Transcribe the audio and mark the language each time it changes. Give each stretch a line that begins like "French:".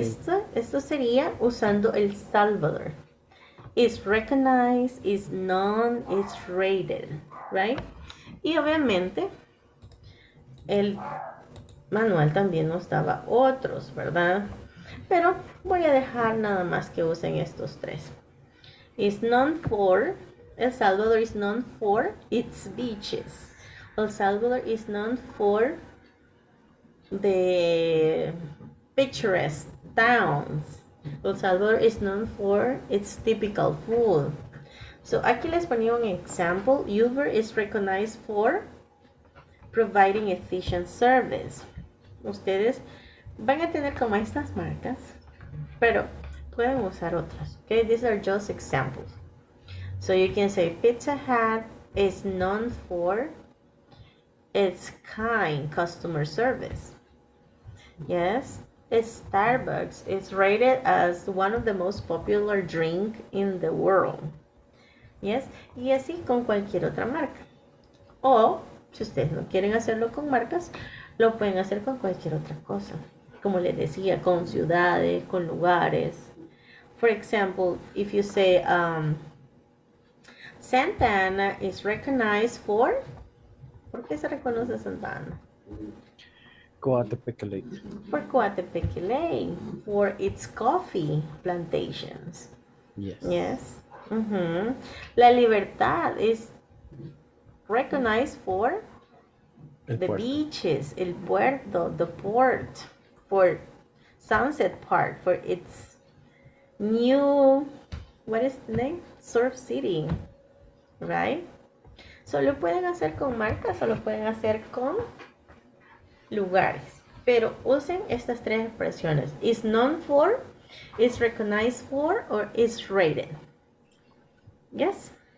Spanish: Esto sería usando el Salvador.
English: Is recognized, is known, is rated. Right?
Spanish: Y obviamente, el manual también nos daba otros, ¿verdad? Pero voy a dejar nada más que usen estos tres.
English: It's known for, El Salvador is known for its beaches. El Salvador is known for the picturesque towns. El Salvador is known for its typical food. So
Spanish: aquí les ponía un
English: example. Uber is recognized for providing efficient service.
Spanish: Ustedes van a tener como estas marcas, pero pueden usar otras.
English: Okay, these are just examples. So you can say Pizza Hut is known for its kind customer service. Yes, Starbucks is rated as one of the most popular drink in the world.
Spanish: Yes, y así con cualquier otra marca. O si ustedes no quieren hacerlo con marcas, lo pueden hacer con cualquier otra cosa. Como les decía, con ciudades, con lugares.
English: For example, if you say, Santa Ana is recognized for...
Spanish: ¿Por qué se reconoce Santa Ana?
English: Coatepeque Lake. For Coatepeque Lake. For its coffee plantations. Yes. Yes. Uh-huh. La Libertad is recognized for... The beaches,
Spanish: el puerto,
English: the port, for Sunset Park, for its new, what is the name? Surf City, right?
Spanish: So lo pueden hacer con marcas o lo pueden hacer con lugares. Pero usen estas tres expresiones.
English: Is known for, is recognized for, or is rated. Yes?